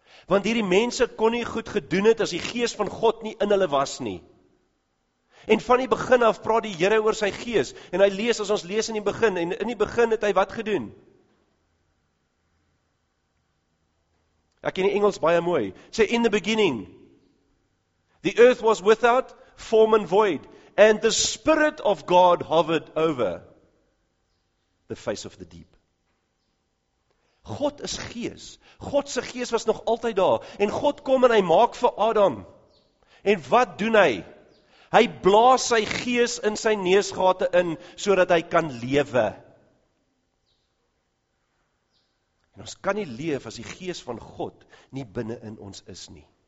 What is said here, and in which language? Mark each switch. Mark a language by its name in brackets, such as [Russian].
[Afrikaans] Want hierdie mense kon nie goed gedoen het as die Gees van God nie in hulle was nie. En van die begin af praat die Here oor sy Gees en hy lees as ons lees in die begin en in die begin het hy wat gedoen? Ek ken die Engels baie mooi. [English] Sê in the beginning the earth was without form and void and the spirit of God hovered over the face of the deep. [Afrikaans] God is Gees. God se Gees was nog altyd daar en God kom en hy maak vir Adam. En wat doen hy? Hy blaas sy gees in sy neusgate in, sodat hy kan lewe. En ons kan nie leef as die gees van God nie binne in ons is nie.